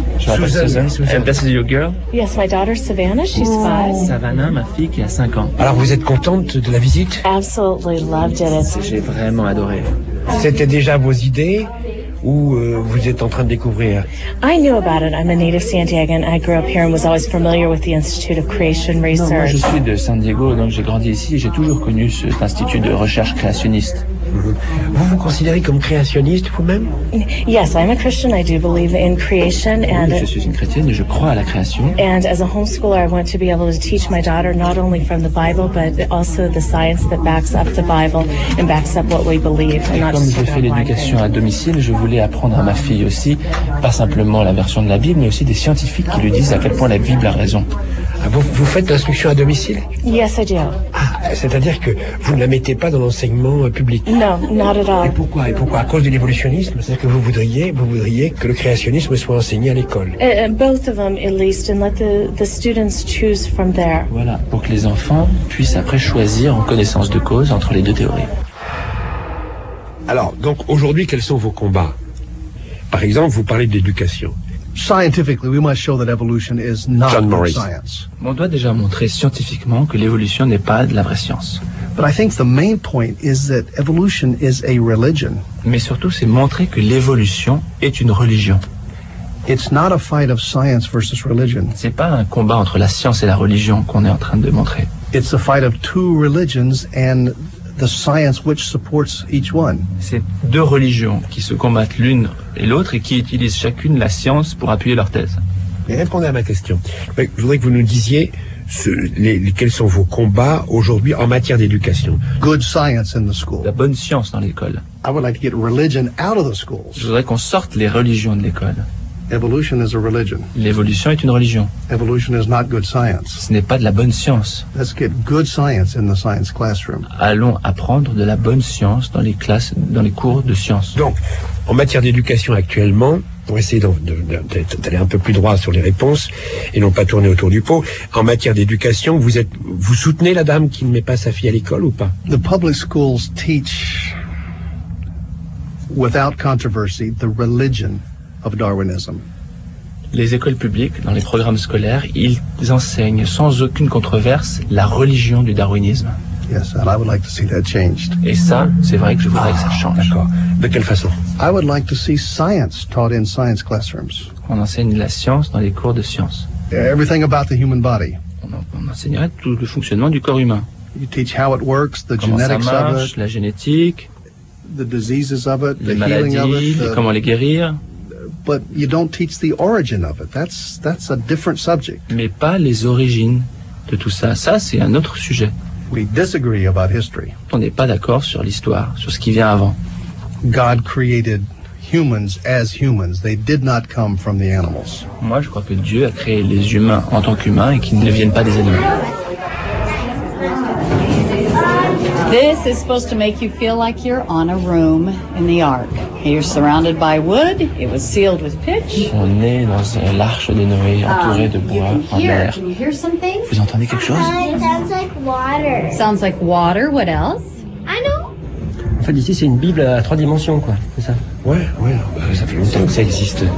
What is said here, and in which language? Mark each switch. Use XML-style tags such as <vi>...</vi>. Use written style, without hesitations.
<en>Susan. And this is your girl? Yes, my daughter Savannah, she's 5.</en> <fr>Savannah, ma fille qui a 5 ans. Alors, vous êtes contente de la visite?</fr> <en>Absolutely loved it.</en> <fr>J'ai vraiment adoré. C'était déjà vos idées ou vous êtes en train de découvrir?</fr> <en>I knew about it. I'm a native San Diegan. I grew up here and was always familiar with the Institute of Creation Research.</en> <fr>Non, moi, je suis de San Diego, donc j'ai grandi ici et j'ai toujours connu cet institut de recherche créationniste. Vous vous considérez comme créationniste vous-même?</fr> <en>Yes, I'm a Christian. I do believe in creation.</en> <fr>Oui,</fr> <en>and</en> <fr>je suis une chrétienne et je crois à la création.</fr> <en>And as a homeschooler, I want to be able to teach my daughter not only from the Bible, but also the science that backs up the Bible and backs up what we believe.</en> <fr>Et</fr> <en>not</en> <fr>comme je fais l'éducation à domicile, je voulais apprendre à ma fille aussi, pas simplement la version de la Bible, mais aussi des scientifiques qui lui disent à quel point la Bible a raison. Vous faites l'instruction à domicile?</fr> <en>Yes, I do.</en> <fr>Ah, c'est-à-dire que vous ne la mettez pas dans l'enseignement public?</fr> <en>No, not at all.</en> <fr>Et pourquoi? À cause de l'évolutionnisme? C'est-à-dire que vous voudriez que le créationnisme soit enseigné à l'école?</fr> <en>Both of them, at least, and let the students choose from there.</en> <fr>Voilà, pour que les enfants puissent après choisir en connaissance de cause entre les deux théories. Alors, donc, aujourd'hui, quels sont vos combats? Par exemple, vous parlez de l'éducation.</fr> <en>Scientifically, we must show that evolution is not science.</en> <fr>On doit déjà montrer scientifiquement que l'évolution n'est pas de la vraie science.</fr> <en>But I think the main point is that evolution is a religion.</en> <fr>Mais surtout, c'est montrer que l'évolution est une religion.</fr> <en>It's not a fight of science versus religion.</en> <fr>C'est pas un combat entre la science et la religion qu'on est en train de montrer.</fr> <en>It's a fight of two religions and the science which supports each one.</en> <fr>C'est deux religions qui se combattent l'une et l'autre et qui utilisent chacune la science pour appuyer leur thèse. Mais répondez à ma question. Je voudrais que vous nous disiez quels sont vos combats aujourd'hui en matière d'éducation.</fr> <en>Good science in the school.</en> <fr>La bonne science dans l'école.</fr> <en>I would like to get religion out of the schools.</en> <fr>Je voudrais qu'on sorte les religions de l'école.</fr> <en>Evolution is a religion.</en> <fr>L'évolution est une religion.</fr> <en>Evolution is not good science.</en> <fr>Ce n'est pas de la bonne science.</fr> <en>Let's get good science in the science classroom.</en> <fr>Allons apprendre de la bonne science dans les classes, dans les cours de sciences. Donc, en matière d'éducation actuellement, pour essayer d'aller un peu plus droit sur les réponses et non pas tourner autour du pot, en matière d'éducation, vous soutenez la dame qui ne met pas sa fille à l'école ou pas?</fr> <en>The public schools teach, without controversy, the religion of Darwinism.</en> <fr>Les écoles publiques, dans les programmes scolaires, ils enseignent sans aucune controverse la religion du darwinisme.</fr> <en>Yes, and I would like to see that changed.</en> <fr>Et ça, c'est vrai que je voudrais que ça change. D'accord. De quelle façon?</fr> <en>I would like to see science taught in science classrooms.</en> <fr>On enseigne la science dans les cours de sciences.</fr> <en>Everything about the human body.</en> <fr>On enseignerait tout le fonctionnement du corps humain.</fr> <en>You teach how it works, the</en> <fr>comment</fr> <en>genetics</en> <fr>ça marche,</fr> <en>of it,</en> <fr>la génétique,</fr> <en>the diseases of it,</en> <fr>les</fr> <en>the</en> <fr>maladies,</fr> <en>healing of it,</en> <fr>comment les guérir.</fr> <en>But you don't teach the origin of it. That's a different subject.</en> <fr>Mais pas les origines de tout ça. Ça, c'est un autre sujet.</fr> <en>We disagree about history.</en> <fr>On n'est pas d'accord sur l'histoire, sur ce qui vient avant.</fr> <en>God created humans as humans. They did not come from the animals.</en> <fr>Moi, je crois que Dieu a créé les humains en tant qu'humains et qu'ils ne viennent pas des animaux.</fr> <en>This is supposed to make you feel like you're on a room in the ark. You're surrounded by wood. It was sealed with pitch.</en> <fr>On est dans l'arche de Noé, entouré de bois</fr> <en>you can</en> <fr>en</fr> <en>hear.</en> <fr>Mer.</fr> <en>Can you hear something?</en> <fr>Vous entendez quelque chose?</fr> <en>It sounds like water. Sounds like water. What else? I know.</en> <fr>En fait, ici, c'est une Bible à trois dimensions, quoi. C'est ça? Ouais, ouais. Bah, ça fait longtemps que ça existe.</fr>